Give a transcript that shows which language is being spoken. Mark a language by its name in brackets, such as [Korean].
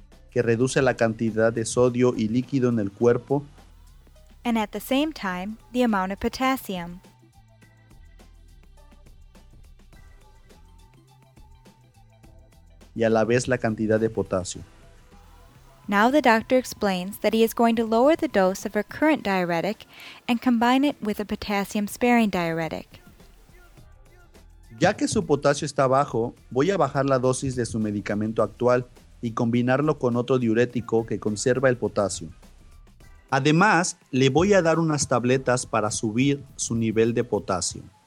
[Spanish] Que reduce la cantidad de sodio y líquido en el cuerpo. [English] And at the same time, the amount of potassium. [Spanish] Y a la vez la cantidad de potasio. [English] Now the doctor explains that he is going to lower the dose of her current diuretic and combine it with a potassium-sparing diuretic. [Spanish] Ya que su potasio está bajo, voy a bajar la dosis de su medicamento actual y combinarlo con otro diurético que conserva el potasio. Además, le voy a dar unas tabletas para subir su nivel de potasio.